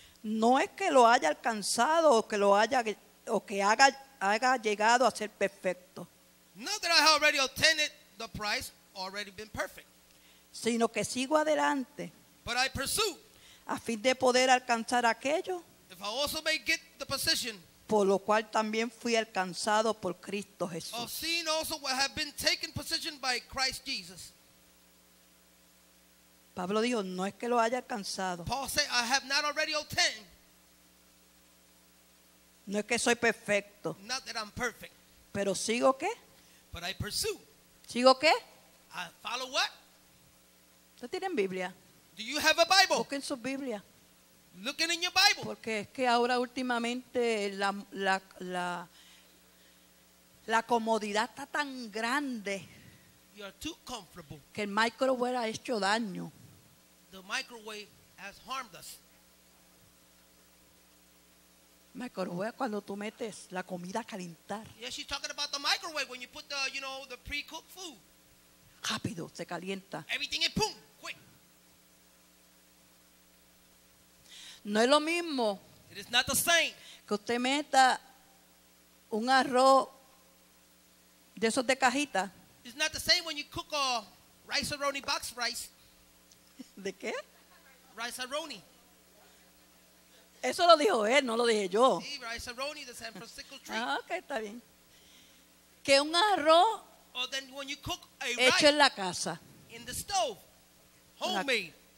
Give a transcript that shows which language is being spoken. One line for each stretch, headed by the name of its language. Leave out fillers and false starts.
Spanish: no es que lo haya alcanzado o que lo haya o que haga llegado a ser perfecto.
English: Not that I have already obtained the prize, already been perfect.
Spanish: Sino que sigo adelante.
English: But I pursue.
Spanish: A fin de poder alcanzar aquello.
English: If I also may get the position.
Spanish: Por lo cual también fui alcanzado por Cristo Jesús.
English: Of seeing also what have been taken position by Christ Jesus.
Spanish: Pablo dijo, no es que lo haya alcanzado.
English: Paul said, I have not already obtained.
Spanish: No es que soy perfecto.
English: Not that I'm perfect.
Spanish: Pero sigo qué?
English: But I pursue.
Spanish: ¿Sigo qué?
English: I follow what?
Spanish: ¿Tú tienes Biblia?
English: Do you have a Bible?
Spanish: Busquen su Biblia.
English: Looking in your Bible.
Spanish: Porque es que ahora últimamente la comodidad está tan grande.
English: You are too comfortable.
Spanish: Que el microwave ha hecho daño.
English: The microwave has harmed us.
Spanish: Microwave, cuando tú metes la comida a calentar.
English: Yeah, she's talking about the microwave when you put the, you know, the pre-cooked food.
Spanish: Rápido, se calienta.
English: Everything is boom, quick.
Spanish: No es lo mismo.
English: It is not the same.
Spanish: Que usted meta un arroz de esos de cajita.
English: It's not the same when you cook a rice-a-roni box rice.
Spanish: ¿De qué?
English: Rice-a-roni.
Spanish: Eso lo dijo él, no lo dije yo.
English: Sí, rice-a-roni, the San Francisco treat.
Spanish: Ah, ok, está bien. Que un arroz
English: or then when you cook a
Spanish: hecho
English: rice
Spanish: en la casa.
English: In the stove, homemade.